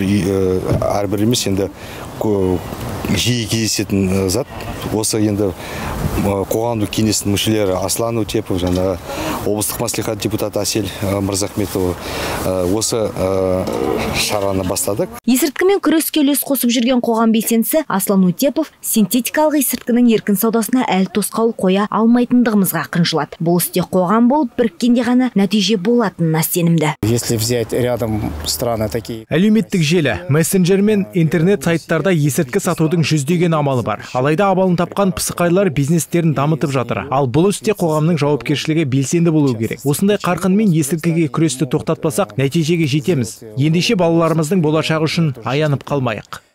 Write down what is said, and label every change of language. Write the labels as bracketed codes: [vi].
[kk] Әрбір емес енді жиі кездесетін зат осы енді қоғамдық кеңестің мүшелері Аслан Өтепов жана облыстық мәслихат депутаты Асел Мырзахметова осы шараны бастадық. Есірткімен күреске үлес қосып жүрген қоғам белсендісі Аслан Өтепов синтетикалық есірткінің еркін саудасына әлі тосқауыл қоя алмайтындығымызға қынжылады. Бұл істе қоғам болып біріккенде ғана нәтиже болатынына сенімді. [ru] Если взять рядом страны такие. [kk] Әлеуметтік желі, мессенджер мен интернет сайттарда есірткі сатудың жүздеген амалы бар. Алайда абалын тапқан пысықайлар бизнестерін дамытып жатыр. Ал бұл істе қоғамның жауапкершілігі белсенді болуы керек. Осындай қарқынмен есірткіге күресті тоқтатпасақ, нәтижеге жетеміз. Ендеше балаларымыздың болашағы үшін аянып қалмайық.